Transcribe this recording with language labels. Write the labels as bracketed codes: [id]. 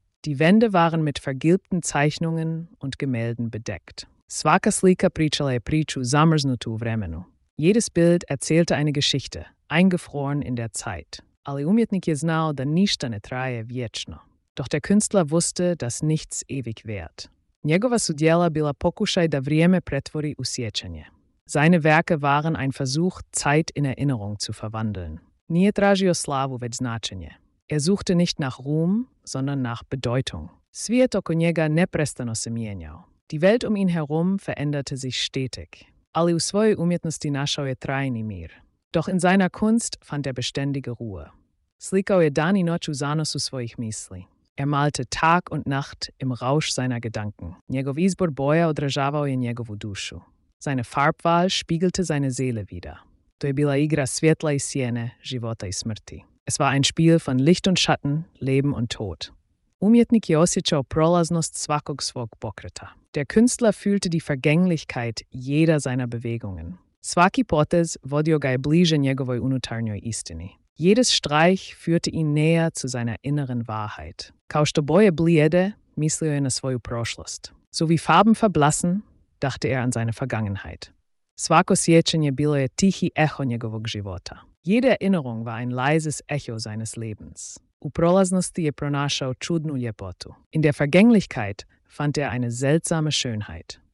[de] Die Wände waren mit vergilbten Zeichnungen und Gemälden bedeckt. [hr] Svaka slika pričala je priču zamrznutu u vremenu. [de] Jedes Bild erzählte eine Geschichte, eingefroren in der Zeit. [hr] Ali umjetnik je znao da ništa ne traje vječno. [de] Doch der Künstler wusste, dass nichts ewig währt. [hr] Njegova su djela bila pokušaj da vrijeme pretvori u sjećanje. [de] Seine Werke waren ein Versuch, Zeit in Erinnerung zu verwandeln. [hr] Nije tražio slavu, već značenje. [de] Er suchte nicht nach Ruhm, sondern nach Bedeutung. [hr] Svijet oko njega neprestano se mijenjao. [de] Die Welt um ihn herum veränderte sich stetig. [hr] Ali u svojoj umjetnosti našao je trajni mir. [de] Doch in seiner Kunst fand beständige Ruhe. [hr] Slikao je dan i noć u zanosu svojih misli. [de] Malte Tag und Nacht im Rausch seiner Gedanken. [hr] Njegov izbor boja odražavao je njegovu dušu. [de] Seine Farbwahl spiegelte seine Seele wider. [hr] To je bila igra svjetla i sjene, života i smrti. [de] Es war ein Spiel von Licht und Schatten, Leben und Tod. [hr] Umjetnik je osjećao prolaznost svakog svog pokreta. [de] Der Künstler fühlte die Vergänglichkeit jeder seiner Bewegungen. [hr] Svaki potez vodio ga je bliže njegovoj unutarnjoj istini. [de] Jedes Streich führte ihn näher zu seiner inneren Wahrheit. [hr] Kao što boje blijede, mislio je na svoju prošlost. [de] So wie Farben verblassen, dachte an seine Vergangenheit. [hr] Svako sjećanje bilo je tihi echo njegovog života. [de] Jede Erinnerung war ein leises Echo seines Lebens. [hr] U prolaznosti je pronašao čudnu ljepotu. [de] In der Vergänglichkeit fand eine seltsame Schönheit.